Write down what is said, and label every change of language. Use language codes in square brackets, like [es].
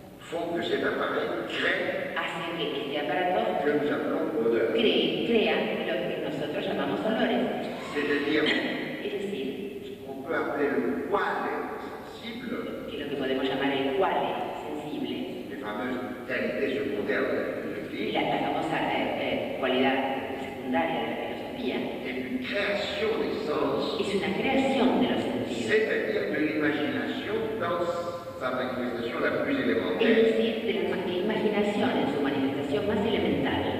[fr] font que cet appareil crée [es] hace que este aparato [fr] que nous appelons odeur. [es] Crea lo que nosotros llamamos olores. [fr] C'est-à-dire, [es] es decir, [fr] qu'on peut appeler le quale sensible, [es] que lo que podemos llamar el quale sensible, [fr] les fameuses qualités secondaires [es] de la filosofía, la famosa cualidad secundaria de la filosofía, es una creación de sens, es una creación de los. [fr] C'est-à-dire de l'imagination dans sa manifestation la plus élémentaire. [es] Es decir, de la imaginación en su manifestación más elemental.